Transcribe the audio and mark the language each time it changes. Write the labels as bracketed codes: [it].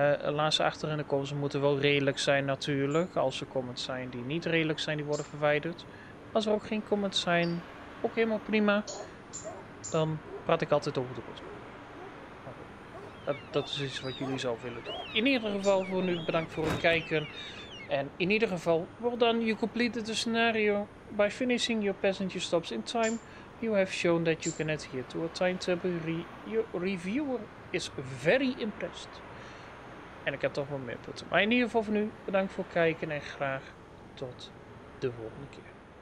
[nl] Laat ze achter in de comments. Ze moeten wel redelijk zijn natuurlijk. Als er comments zijn die niet redelijk zijn, die worden verwijderd. Als er ook geen comments zijn, ook helemaal prima. Dan praat ik altijd over de comments. Dat is iets wat jullie zelf willen doen. In ieder geval voor nu bedankt voor het kijken. En in ieder geval, [en] well done, you completed the scenario. By finishing your passenger stops in time, you have shown that you can adhere to a timetable. Your reviewer is very impressed. [nl] En ik heb toch wel meer punten. Maar in ieder geval voor nu, bedankt voor het kijken en graag tot de volgende keer.